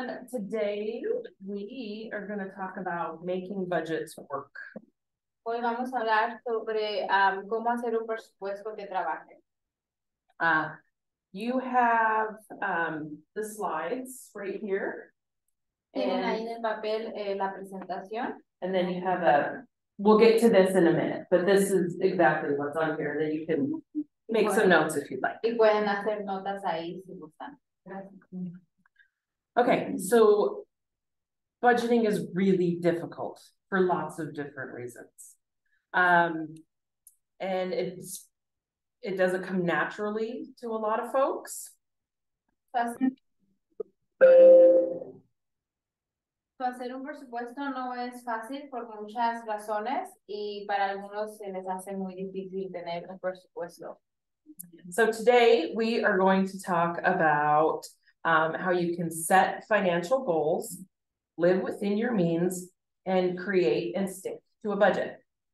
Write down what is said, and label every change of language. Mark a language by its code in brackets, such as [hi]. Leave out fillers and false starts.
[en] Today we are going to talk about making budgets work. [es] Hoy vamos a hablar sobre cómo hacer un presupuesto que trabaje. [en] You have the slides right here. [es] Tienen ahí en el papel la presentación. [en] And then you have a, we'll get to this in a minute, but this is exactly what's on here that you can make some notes if you'd like. [es] Y pueden hacer notas ahí si gustan. [en] Okay, so budgeting is really difficult for lots of different reasons. And it doesn't come naturally to a lot of folks. [es] Hacer un presupuesto no es fácil por muchas razones y para algunos se les hace muy difícil tener un presupuesto. [en] So today we are going to talk about how you can set financial goals, live within your means, and create and stick to a budget.